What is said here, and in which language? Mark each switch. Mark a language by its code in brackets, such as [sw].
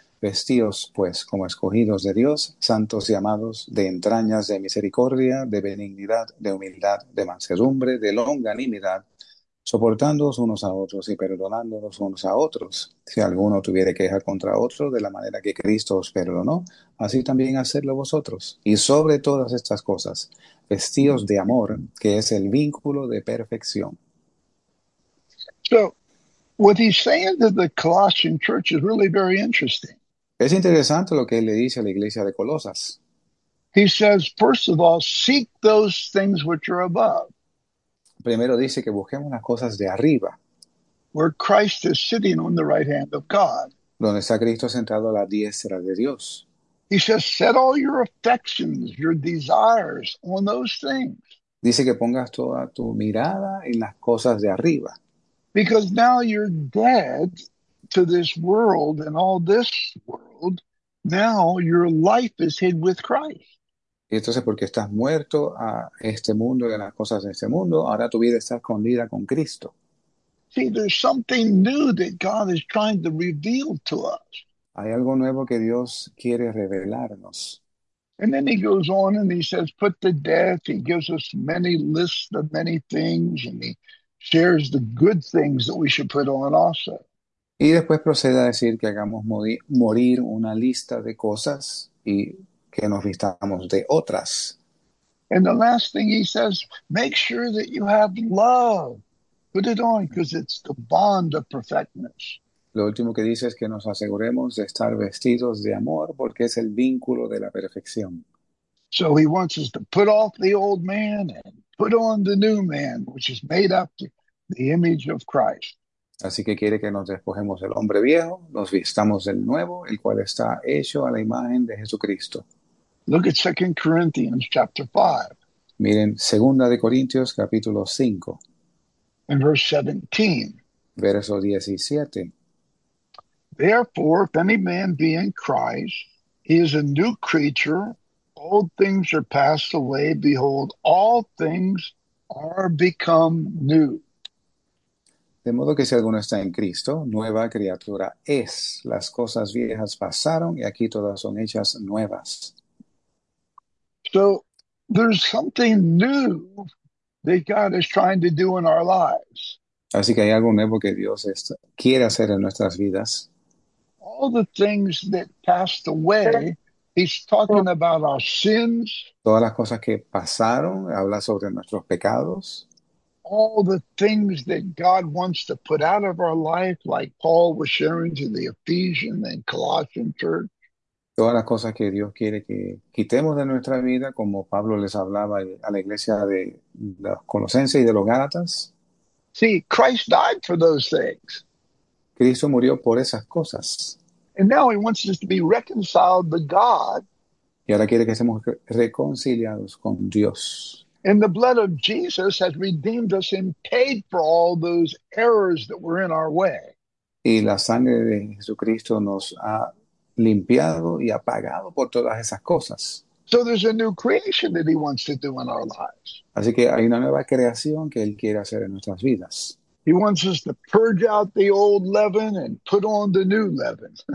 [es] Vestíos, pues, como escogidos de Dios, santos y amados, de entrañas de misericordia, de benignidad, de humildad, de mansedumbre, de longanimidad, soportándoos unos a otros y perdonándonos unos a otros. Si alguno tuviere queja contra otro, de la manera que Cristo os perdonó, así también hacedlo vosotros. Y sobre todas estas cosas, vestíos de amor, que es el vínculo de perfección. [en] So, what he's saying to the Colossian church is really very interesting. [es] Es interesante lo que él le dice a la iglesia de Colosas. [en] He says, first of all, seek those things which are above. [es] Primero dice que busquemos las cosas de arriba, [en] where Christ is sitting on the right hand of God. [es] donde está Cristo sentado a la diestra de Dios. [en] He says, set all your affections, your desires on those things. [es] Dice que pongas toda tu mirada en las cosas de arriba. [en] Because now you're dead to this world and all this world. Now your life is hid with Christ. [es] Y entonces, porque estás muerto a este mundo y a las cosas de este mundo, ahora tu vida está escondida con Cristo. [en] See, there's something new that God is trying to reveal to us. [es] Hay algo nuevo que Dios quiere revelarnos. [en] And then he goes on and he says, put to death. He gives us many lists of many things, and he shares the good things that we should put on also. [es] Y después procede a decir que hagamos morir una lista de cosas y que nos vistamos de otras. [en] And the last thing he says, make sure that you have love. Put it on, because it's the bond of perfectness. [es] Lo último que dice es que nos aseguremos de estar vestidos de amor, porque es el vínculo de la perfección. [en] So he wants us to put off the old man and put on the new man, which is made up to the image of Christ. [es] Así que quiere que nos despojemos del hombre viejo, nos vistamos del nuevo, el cual está hecho a la imagen de Jesucristo. [en] Look at 2 Corinthians chapter 5. [es] Miren, 2 de Corintios capítulo 5. [en] And verse 17. [es] Verso 17. [en] Therefore, if any man be in Christ, he is a new creature. Old things are passed away. Behold, all things are become new. [es] De modo que si alguno está en Cristo, nueva criatura es. Las cosas viejas pasaron y aquí todas son hechas nuevas. [en] So, there's something new that God is trying to do in our lives. [es] Así que hay algo nuevo que Dios quiere hacer en nuestras vidas. [en] all the things that passed away, he's talking about our sins, [es] Todas las cosas que pasaron, habla sobre nuestros pecados. [en] all the things that God wants to put out of our life, like Paul was sharing to the Ephesian and Colossian church. [es] Todas las cosas que Dios quiere que quitemos de nuestra vida, como Pablo les hablaba a la iglesia de los Colosenses y de los Gálatas. [en] See, Christ died for those things. [es] Cristo murió por esas cosas. [en] And now he wants us to be reconciled to God [es] Y ahora quiere que seamos reconciliados con Dios. [en] and the blood of Jesus has redeemed us and paid for all those errors that were in our way. [es] Y la sangre de Jesucristo nos ha limpiado y apagado por todas esas cosas. [en] So there's a new creation that he wants to do in our lives. [es] Así que hay una nueva creación que Él quiere hacer en nuestras vidas. [en] He wants us to purge out the old leaven and put on the new leaven.